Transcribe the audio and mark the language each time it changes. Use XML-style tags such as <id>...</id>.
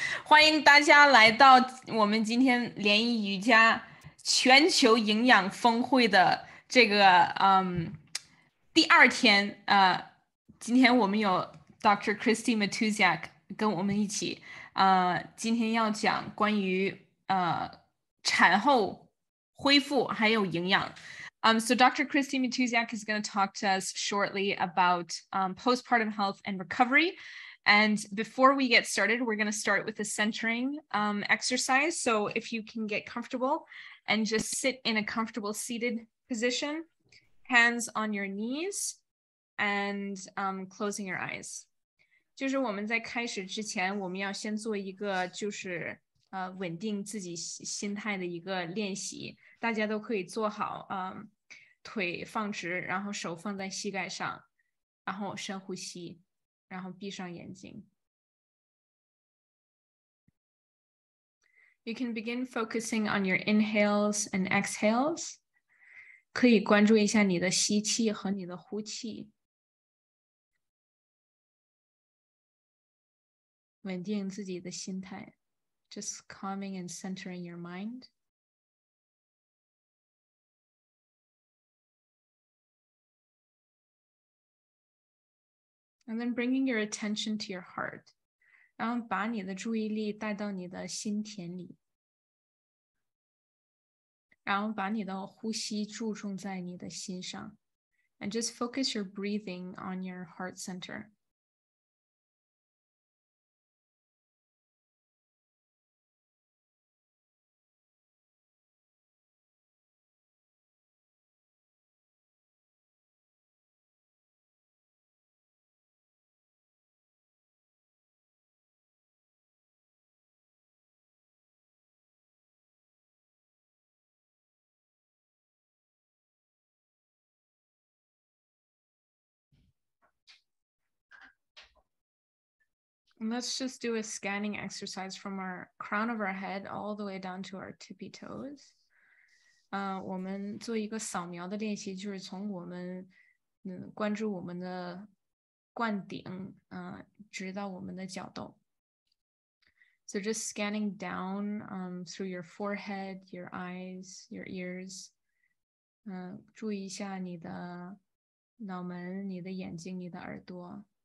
<zh>欢迎大家来到我们今天联谊瑜伽全球营养峰会的这个第二天。今天我们有 Dr. Christy Matusiak 跟我们一起。今天要讲关于产后恢复还有营养。</zh> <en>So Dr. Christy Matusiak is going to talk to us shortly about postpartum health and recovery. And before we get started, we're going to start with a centering exercise. So if you can get comfortable and just sit in a comfortable seated position, hands on your knees and closing your eyes.</en> <zh>就是我们在开始之前，我们要先做一个就是稳定自己心态的一个练习。大家都可以坐好，腿放直，然后手放在膝盖上，然后深呼吸，然后闭上眼睛。</zh> <en>You can begin focusing on your inhales and exhales.</en> <zh>可以关注一下你的吸气和你的呼气。稳定自己的心态，</zh> <en>just calming and centering your mind. And then bringing your attention to your heart.</en> <zh>然后把你的注意力带到你的心田里。然后把你的呼吸注重在你的心上。</zh> <en>And just focus your breathing on your heart center. And let's just do a scanning exercise from our crown of our head all the way down to our tippy toes.</en> <zh>我们做一个扫描的练习，就是从我们关注我们的灌顶直到我们的脚豆。</zh> <en>So just scanning down through your forehead, your eyes, your ears.</en> <zh>注意一下你的脑门、你的眼睛、你的耳朵。</zh>